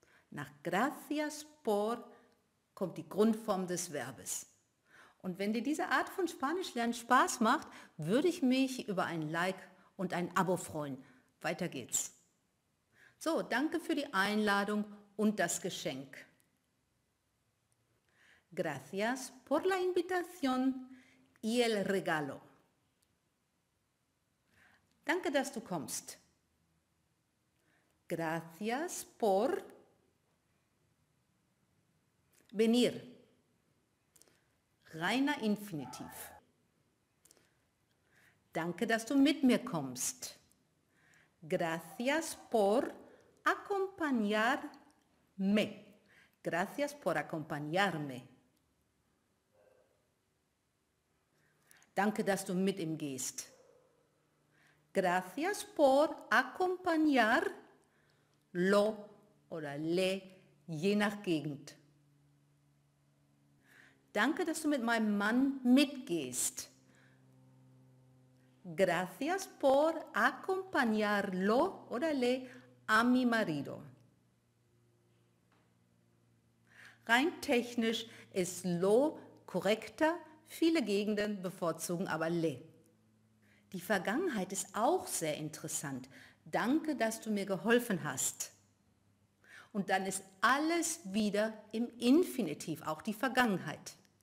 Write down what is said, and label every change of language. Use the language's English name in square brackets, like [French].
[German] Nach [Spanish] gracias por [German] kommt die Grundform des Verbes. Und wenn dir diese Art von Spanischlernen Spaß macht, würde ich mich über ein Like und ein Abo freuen. Weiter geht's. So, danke für die Einladung und das Geschenk. [Spanish] Gracias por la invitación y el regalo. [German] Danke, dass du kommst. [Spanish] Gracias por venir. [German] Reiner Infinitiv. Danke, dass du mit mir kommst. [Spanish] Gracias por acompañarme. Gracias por acompañarme. [German] Danke, dass du mit ihm gehst. [Spanish] Gracias por acompañar lo [German] oder le, je nach Gegend. Danke, dass du mit meinem Mann mitgehst. [Spanish] Gracias por acompañar lo [German] oder [Spanish] le a mi marido. [German] Rein technisch ist lo korrekter, viele Gegenden bevorzugen aber le. Die Vergangenheit ist auch sehr interessant. Danke, dass du mir geholfen hast. Und dann ist alles wieder im Infinitiv, auch die Vergangenheit.